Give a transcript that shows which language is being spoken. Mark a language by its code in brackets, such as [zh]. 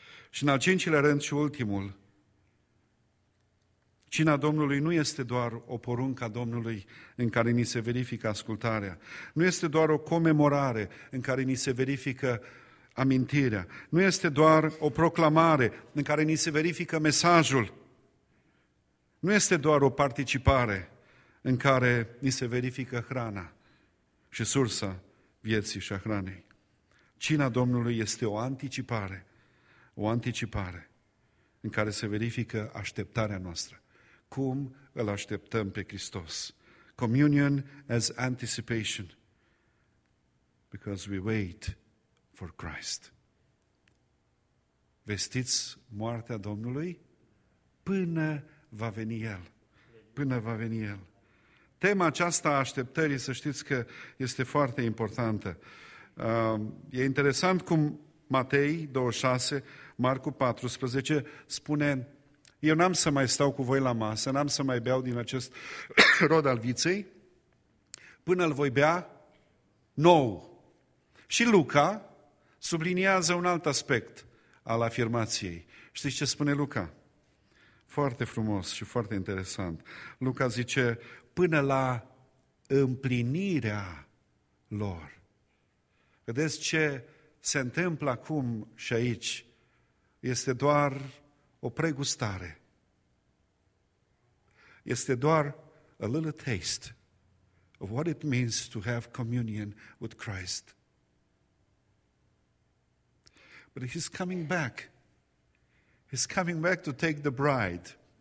[ro] Și în al cincilea rând și ultimul, cina Domnului nu este doar o poruncă a Domnului în care ni se verifică ascultarea, nu este doar o comemorare în care ni se verifică amintirea, nu este doar o proclamare în care ni se verifică mesajul, nu este doar o participare în care ni se verifică hrana și sursa vieții și a hranei. Cina Domnului este o anticipare, o anticipare în care se verifică așteptarea noastră. Cum îl așteptăm pe Hristos? Communion as anticipation, because we wait for Christ. Vestiți moartea Domnului până va veni El, până va veni El. Tema aceasta a așteptării, să știți că este foarte importantă. E interesant cum Matei 26, Marcu 14 spune, eu n-am să mai stau cu voi la masă, n-am să mai beau din acest rod al viței, până îl voi bea nou. Și Luca subliniază un alt aspect al afirmației. Știți ce spune Luca? Foarte frumos și foarte interesant. Luca zice, până la împlinirea lor. Vedeți ce se întâmplă acum și aici? Este doar o pregustare. Este doar [en] a little taste of what it means to have communion with Christ. But he's coming back. He's coming back to take the bride.